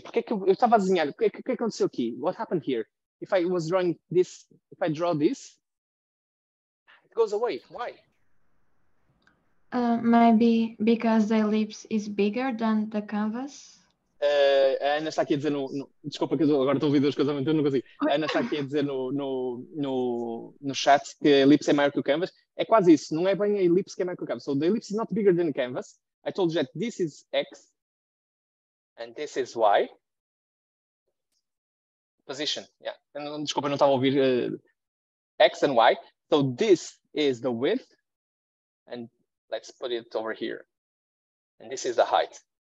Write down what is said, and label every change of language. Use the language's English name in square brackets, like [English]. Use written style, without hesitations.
[Portuguese] Porque que eu estava a desenhar, o que aconteceu aqui? [English] What happened here? If I was drawing this, if I draw this, it goes away, why? Maybe because the ellipse is bigger than the canvas. [Portuguese] A Ana está aqui a dizer no desculpa que eu agora estou a ouvir duas coisas, eu não consigo. A Ana está aqui a dizer no chat que a ellipse é maior que o canvas. É quase isso, não é bem a ellipse que é maior que o canvas. [English] So the ellipse is not bigger than the canvas. I told you that this is X. And this is Y. Position, yeah. And [Portuguese] desculpa, não estava a ouvir. [English] X and Y. So this is the width. And let's put it over here. And this is the height.